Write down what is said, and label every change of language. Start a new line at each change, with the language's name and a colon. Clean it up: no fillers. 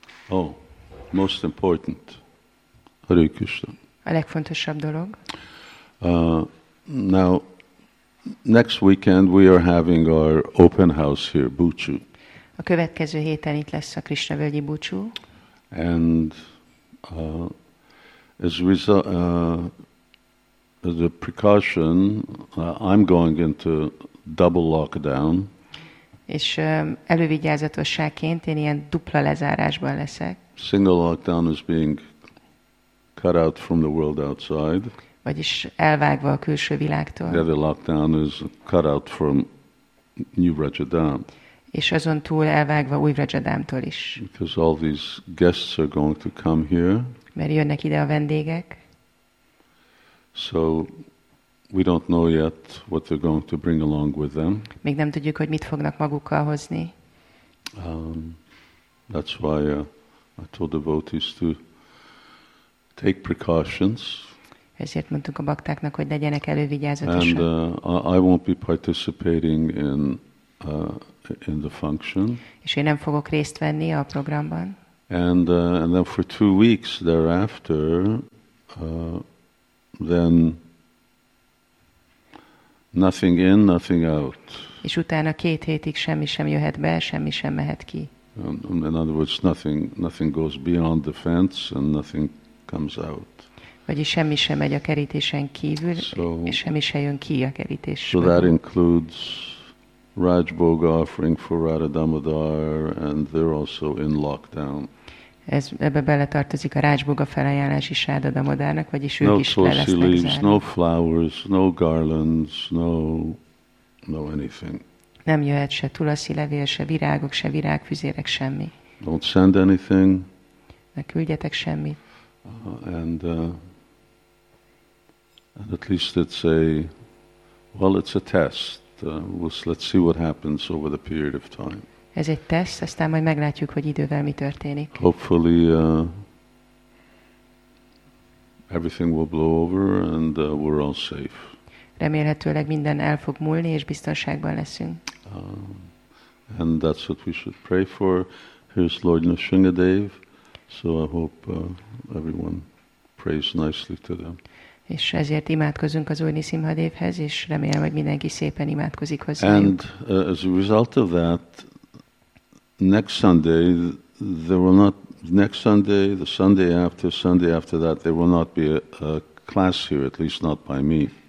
English: Oh, most important. Hare Krishna.
Hungarian: A legfontosabb dolog.
English: Now, next weekend we are having our open house here, Búcsú.
Hungarian: A következő héten itt lesz a Krisna völgyi búcsú.
English: And as a result, the precaution, I'm going into double lockdown.
Hungarian: És elővigyázatosságként én ilyen dupla lezárásban leszek.
English: Single lockdown is being cut out from the world outside.
Hungarian: Vagyis elvágva a külső világtól.
English: The other lockdown is cut out from New Rajadham.
Hungarian: És azon túl elvágva új Rajadhamtól is.
English: Because all these guests are going to come here.
Hungarian: Mert jönnek ide a vendégek.
English: So we don't know yet what they're going to bring along with them.
Hungarian: Még nem tudjuk, hogy mit fognak magukkal hozni.
English: That's why I told devotees to take precautions.
Hungarian: Ezért mondtuk a baktáknak, hogy legyenek elővigyázatosak.
English: And I won't be participating in the function.
Hungarian: És én nem fogok részt venni a programban.
English: And then for 2 weeks thereafter, then nothing in, nothing out.
Hungarian: És utána 2 hétig semmi sem jöhet be, semmi sem mehet ki.
English: In other words, nothing goes beyond the fence and nothing comes out.
Hungarian: Vagyis semmi sem megy a kerítésen kívül, és semmi sem jön ki a kerítésből.
English: So that includes Rajbhoga offering for Radha Damodar, and they're also in lockdown.
Hungarian: Ez ebbe beletartozik a Rajbhoga felajánlás is Radha Damodarnak, vagyis ők
English: no
Hungarian: is le lesznek
English: leaves,
Hungarian: zárva.
English: No flowers, no garlands, no anything.
Hungarian: Nem jöhet se tulaszi levél, se virágok, se virágfüzérek, semmi.
English: Don't send anything.
Hungarian: Ne küldjetek semmit.
English: And at least it's a, well, it's a test. Let's see what happens over the period of time.
Hungarian: Ez egy teszt, aztán majd meglátjuk, hogy idővel mi történik.
English: Hopefully everything will blow over and we're all safe.
Hungarian: Remélhetőleg minden el fog múlni és biztonságban leszünk.
English: And that's what we should pray for. Here's Lord Nrisimhadev. So I hope everyone prays nicely to them.
Hungarian: És ezért imádkozunk az Úr Nrisimhadevhez, és remélem, hogy mindenki szépen imádkozik hozzájuk.
English: And as a result of that, the Sunday after that, there will not be a class here, at least not by me.